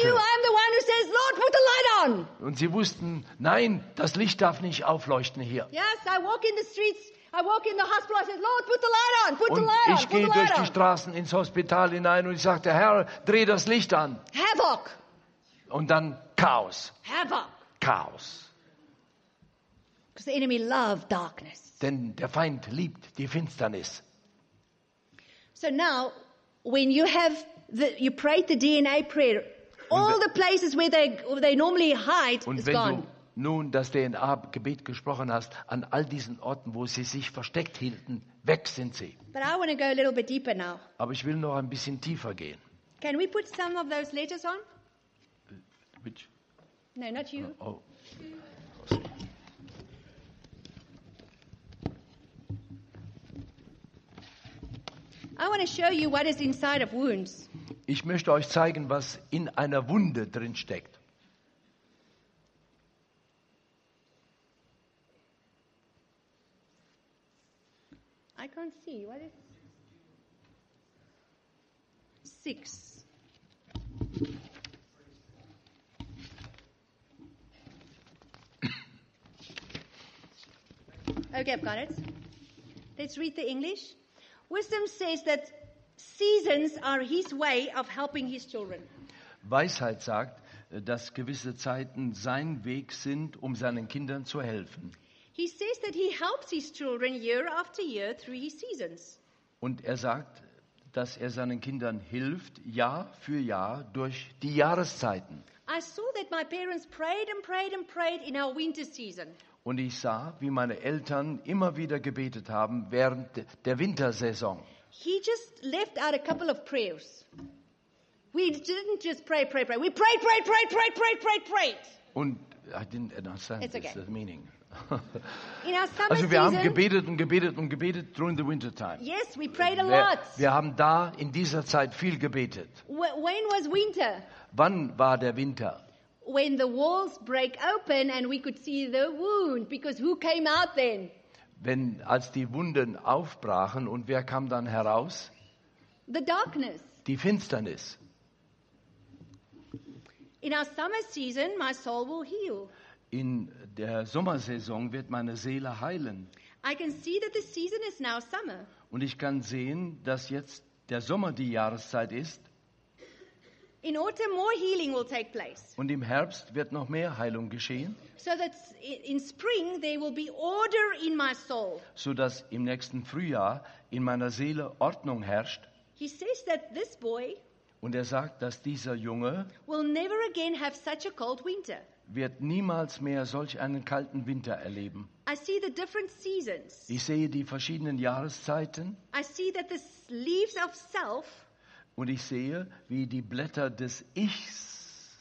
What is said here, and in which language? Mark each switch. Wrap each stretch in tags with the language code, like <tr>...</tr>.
<en>Knew I'm the one who says, "Lord, put the light on."</en> <de>Und sie wussten, nein, das Licht darf nicht aufleuchten hier.</de> <en>Yes, I walk in the streets. I walk in the hospital. I said, "Lord, put the light on. Put</en> <de>und</de> <en>the light on. Put the light on."</en> <de>Und ich gehe durch die Straßen ins Hospital hinein und ich sagte, Herr, dreh das Licht an.</de> <en>Havoc.</en> <de>Und dann Chaos.</de> <en>Havoc.</en> <de>Chaos.</de> <en>Because the enemy loved darkness.</en> <de>Denn der Feind liebt die Finsternis.</de> <en>So now, when you have the, you pray the DNA prayer, all the places where they normally hide</en> <de>und</de> <en>is gone.</en> <de>Du nun das DNA-Gebet gesprochen hast, an all diesen Orten, wo sie sich versteckt hielten, weg sind sie.</de> <en>But I want to go a little bit deeper now.</en> <de>Aber ich will noch ein bisschen tiefer gehen.</de> <en>Can we put some of those letters on? Which? No, not you. Oh. I want to show you what is inside of wounds.</en> <de>Ich möchte euch zeigen, was in einer Wunde drin steckt.</de> <en>I can't see. What is 6? Okay, I've got it. Let's read the English. Wisdom says that seasons are his way of helping his children.</en> <de>Weisheit sagt, dass gewisse Zeiten sein Weg sind, um seinen Kindern zu helfen.</de> <en>He says that he helps his children year after year through his seasons.</en> <de>Und er sagt, dass er seinen Kindern hilft Jahr für Jahr durch die Jahreszeiten.</de> <en>I saw that my parents prayed and prayed and prayed in our winter season.</en> <de>Und ich sah, wie meine Eltern immer wieder gebetet haben während der Wintersaison.</de> <en>He just left out a couple of prayers. We didn't just pray, pray, pray. We prayed, prayed, prayed, prayed, prayed, prayed, prayed. Und I didn't understand It's okay. this, the meaning. In our summer</en> <de>also wir</de> <en>season,</en> <de>haben gebetet und gebetet und gebetet</de> <en>during the winter time. Yes, we prayed a lot.</en> <de>Wir haben da in dieser Zeit viel gebetet.</de> <en>When was winter?</en> <de>Wann war der Winter?</de> <en>When the walls break open and we could see the wound, because who came out then?</en> <de>Als die Wunden aufbrachen und wer kam dann heraus?</de> <en>The darkness.</en> <de>Die Finsternis.</de> <en>In our summer season, my soul will heal.</en> <de>In der Sommersaison wird meine Seele heilen.</de> <en>I can see that the season is now summer.</en> <de>Und ich kann sehen, dass jetzt der Sommer die Jahreszeit ist.</de> <en>In autumn, more healing will take place.</en> <de>Und im Herbst wird noch mehr Heilung geschehen.</de> <en>So that in spring there will be order in my soul.</en> <de>So dass im nächsten Frühjahr in meiner Seele Ordnung herrscht.</de> <en>He says that this boy.</en> <de>Und er sagt, dass dieser Junge</de> <en>will never again have such a cold winter.</en> <de>Wird niemals mehr solch einen kalten Winter erleben.</de> <en>I see the different seasons.</en> <de>Ich sehe die verschiedenen Jahreszeiten.</de> <en>I see that the leaves of self.</en> <de>Und ich sehe, wie die Blätter des Ichs</de>